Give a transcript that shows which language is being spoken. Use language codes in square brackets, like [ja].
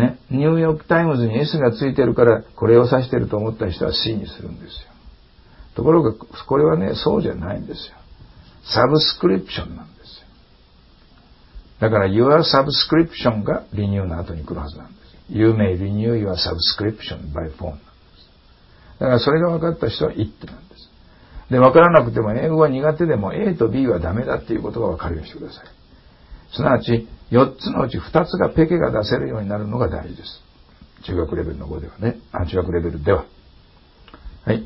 [ja] ね、ニューヨークタイムズに S がついてるからこれを指してると思った人は C にするんですよ。ところがこれはねそうじゃないんですよ。サブスクリプションなんですよ。だから Your subscription がリニューの後に来るはずなんですよ。 [en] You may renew your subscription by phone [ja] なんです。だからそれが分かった人は It なんです。で、分からなくても英語が苦手でも A と B はダメだっていうことが分かるようにしてください。すなわち4つのうち2つがペケが出せるようになるのが大事です。中学レベルの5ではね。あ、中学レベルでは。はい。